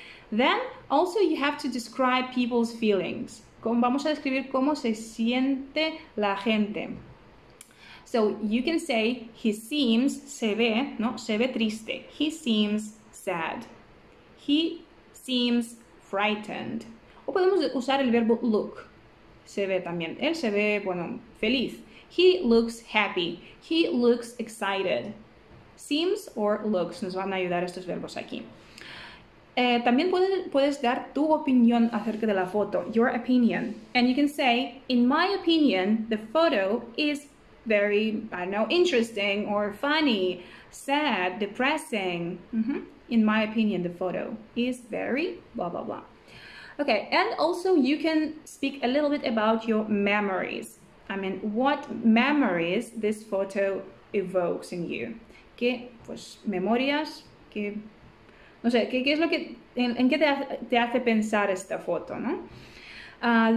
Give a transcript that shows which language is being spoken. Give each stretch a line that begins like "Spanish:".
English: Then also you have to describe people's feelings.
Spanish: Vamos a describir cómo se siente la gente.
English: So you can say he seems,
Spanish: se ve, ¿no? Se ve triste.
English: He seems sad. He seems frightened.
Spanish: O podemos usar el verbo look. Se ve también. Él se ve, bueno, feliz.
English: He looks happy. He looks excited. Seems or looks.
Spanish: Nos van a ayudar estos verbos aquí. También puedes dar tu opinión acerca de la foto.
English: Your opinion. And you can say, in my opinion, the photo is very, I don't know, interesting or funny, sad, depressing. Mm-hmm. In my opinion, the photo is very blah, blah, blah. Okay, and also you can speak a little bit about your memories. I mean, what memories this photo evokes in you?
Spanish: ¿Qué, pues, memorias? ¿Qué, no sé, qué es lo que, en qué te hace pensar esta foto, no?